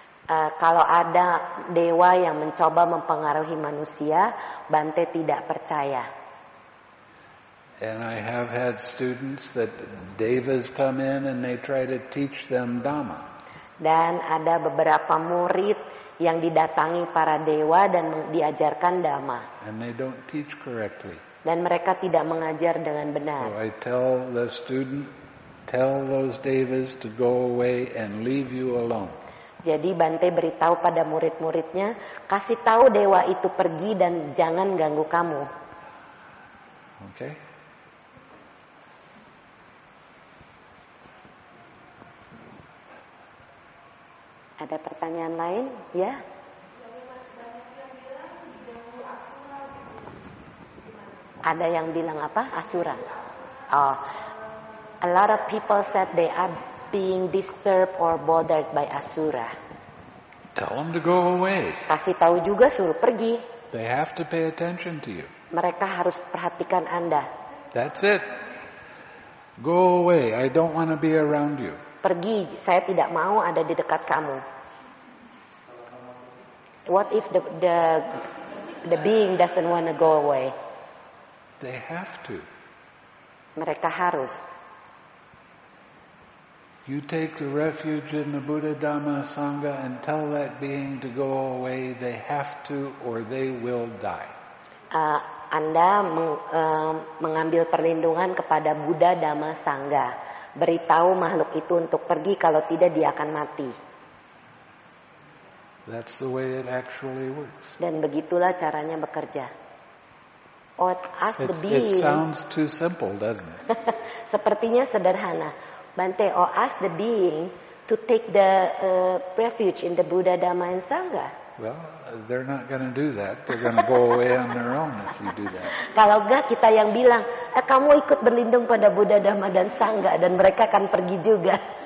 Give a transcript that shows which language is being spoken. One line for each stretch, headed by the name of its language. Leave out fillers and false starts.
Indonesian: Kalau ada dewa yang mencoba mempengaruhi manusia, Bante tidak percaya.
English: And I have had students that devas come in and they try to teach them Dhamma.
Indonesian: Dan ada beberapa murid yang didatangi para dewa dan diajarkan Dhamma.
English: And they don't teach correctly.
Indonesian: Dan mereka tidak mengajar dengan benar.
English: So I tell the student, "Tell those devas to go away and leave you alone."
Indonesian: Jadi Bante beritahu pada murid-muridnya, kasih tahu dewa itu pergi dan jangan ganggu kamu.
English: Okay.
Indonesian: Ada pertanyaan lain? Ya. Ada yang bilang apa? Asura. Oh.
English: A lot of people said they are being disturbed or bothered by asura. Tell them to go away.
Indonesian: Kasih tahu juga suruh pergi.
English: They have to pay attention to you.
Indonesian: Mereka harus perhatikan Anda.
English: That's it. Go away. I don't want to be around you.
Indonesian: Pergi, saya tidak mau ada di dekat kamu.
English: What if the being doesn't want to go away? They have to.
Indonesian: Mereka harus.
English: You take the refuge in the Buddha Dhamma Sangha and tell that being to go away. They have to, or they will die.
Indonesian: Anda mengambil perlindungan kepada Buddha Dhamma Sangha. Beritahu makhluk itu untuk pergi, kalau tidak dia akan mati.
English: That's the way it actually works.
Indonesian: Dan begitulah caranya bekerja.
English: It sounds too simple, doesn't it?
Indonesian: Sepertinya sederhana.
English: Bante, or ask the being to take the refuge in the Buddha Dhamma and Sangha. Well, they're not going to do that. They're going to go away on their own if you do that.
Indonesian: Kalau enggak kita yang bilang, kamu ikut berlindung pada Buddha Dhamma dan Sangha dan mereka akan pergi juga.